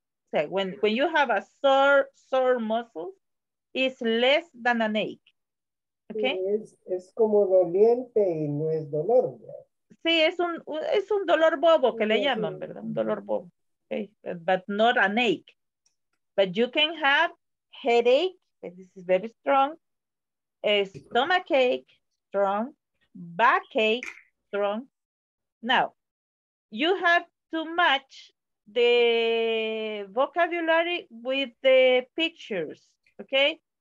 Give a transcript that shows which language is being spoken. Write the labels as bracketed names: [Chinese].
[English] O sea, when you have a sore muscle, it's less than an ache. Okay? [Spanish] Es como doliente y no es dolor, ¿verdad? Sí, es un dolor bobo que le llaman, ¿verdad? [English] Un dolor bobo. Okay? But not an ache. But you can have headache, this is very strong, stomachache, strong, backache, strong. Now, you have to match the vocabulary with the pictures, okay?